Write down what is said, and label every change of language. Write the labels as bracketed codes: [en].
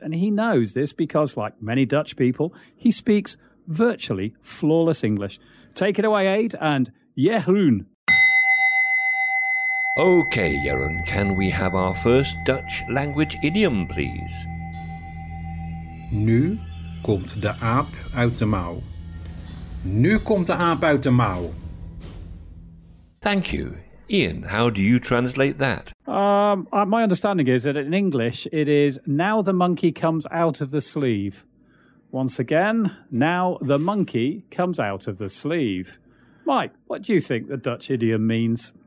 [en] And he knows this because, like many Dutch people, he speaks virtually flawless English. Take it away, Aid, and Jeroen. Okay, Jeroen, can we have our first Dutch language idiom, please? [nl] Nu komt de aap uit de mouw. Nu komt de aap uit de mouw. [en] Thank you. Ian, how do you translate that? My understanding is that in English it is now the monkey comes out of the sleeve. Once again, now the monkey comes out of the sleeve. Mike, what do you think the Dutch idiom means?